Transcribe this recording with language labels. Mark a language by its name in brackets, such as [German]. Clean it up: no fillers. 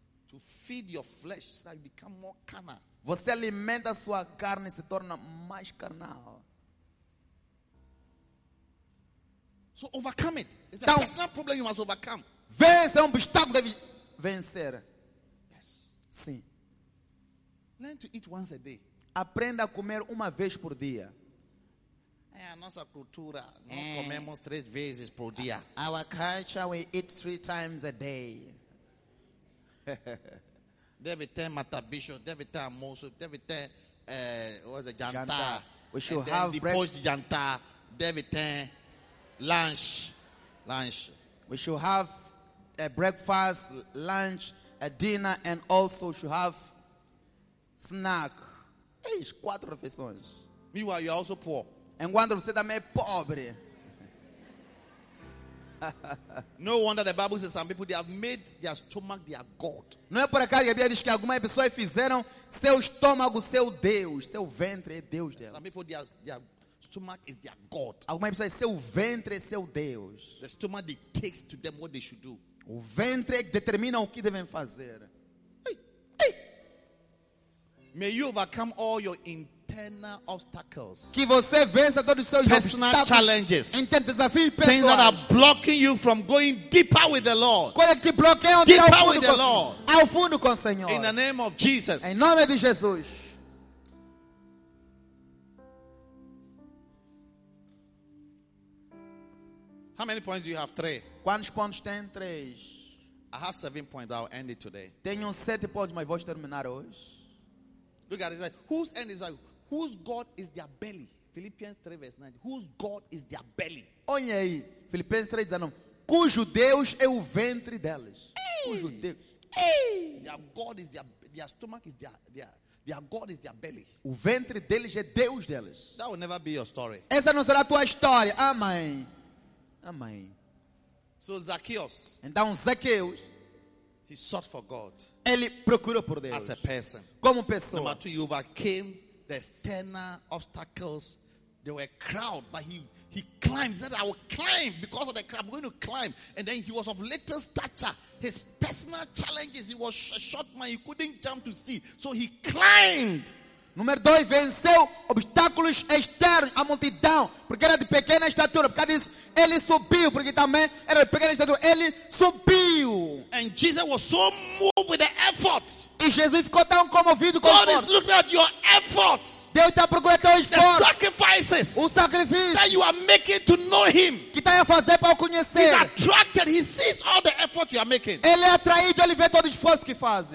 [English] To feed your flesh so that you become more carnal. [Portuguese] Você alimenta a sua carne e se torna mais carnal. [English] So overcome it. It's a personal problem you must overcome. [Portuguese] Vence, é um obstáculo, deve vencer. [English] Yes. [Portuguese] Sim. [English] Learn to eat once a day. [Portuguese] Aprenda a comer uma vez por dia. É a nossa cultura, nós comemos 3 vezes por dia. [English] Our culture, we eat 3 times a day. [Portuguese] Deve ter matabicho, deve ter almoço, deve ter, [English] what is it, [Portuguese] janta. [English] We should have breakfast. [Portuguese] Janta, deve ter lunch. [English] We should have a breakfast, lunch, a dinner, and also should have snack. [Portuguese] Eish, 4 refeições. [English] Meanwhile, you are also poor. [Portuguese] Enquanto você também é pobre. [English] No wonder the Bible says some people, they have made their stomach their God. [Portuguese] Não é por acaso que a Bíblia diz que algumas pessoas fizeram seu estômago seu Deus, seu ventre é Deus deles. [English] Some people, their stomach is their God. [Portuguese] Algumas pessoas, seu ventre é seu Deus. [English] The stomach dictates to them what they should do. [Portuguese] O ventre determina o que devem fazer. [English] Hey. May you overcome all your internal obstacles. [Portuguese] Que você vença todos os seus [English] personal challenges. [Portuguese] Internos desafios pessoais. [English] Things that are blocking you from going deeper with the Lord. [Portuguese] Coisas que bloqueiam [English] deeper [Portuguese] ao fundo [English] with the Lord. [Portuguese] Ao fundo com o Senhor. [English] In the name of Jesus. [Portuguese] Em nome de Jesus. [English] How many points do you have? 3. [Portuguese] Quantos pontos tem? 3. [English] I have 7 points. I'll end it today. [Portuguese] Tenho 7 pontos, mas vou terminar hoje. [English] Look at it, like, whose end is like, whose God is their belly? Philippians 3 verse 9. Whose God is their belly? [Portuguese] Olha aí, Filipenses 3 diz, cujo Deus é o ventre deles. Hey. Cujo Deus. Hey. [English] Their God is their stomach is their God is their belly. [Portuguese] O ventre deles é Deus deles. [English] That will never be your story. [Portuguese] Essa não será a tua história. Amém. Amém. [English] So Zacchaeus. [Portuguese] Então Zacchaeus. [English] He sought for God. [Portuguese] Ele procurou por Deus. [English] As a person. Como pessoa. Number 2, you overcame the external obstacles. There were crowd, but he climbed. He said, I will climb because of the crowd. I'm going to climb. And then he was of little stature. His personal challenges, he was a short man. He couldn't jump to see. So he climbed. [Portuguese] Número 2, venceu obstáculos externos, a multidão, porque era de pequena estatura. Por causa disso, ele subiu, porque também era de pequena estatura. Ele subiu. [English] And Jesus was so moved with the effort. [Portuguese] E Jesus ficou tão comovido com [English] God is looking at your effort. [Portuguese] Deus está procurando teu esforço. [English] The sacrifices, [Portuguese] o sacrifício [English] that you are making to know him, [Portuguese] que está a fazer para o conhecer. [English] He's attracted. He sees all the effort you are making. [Portuguese] Ele é atraído, ele vê todo o esforço que fazes.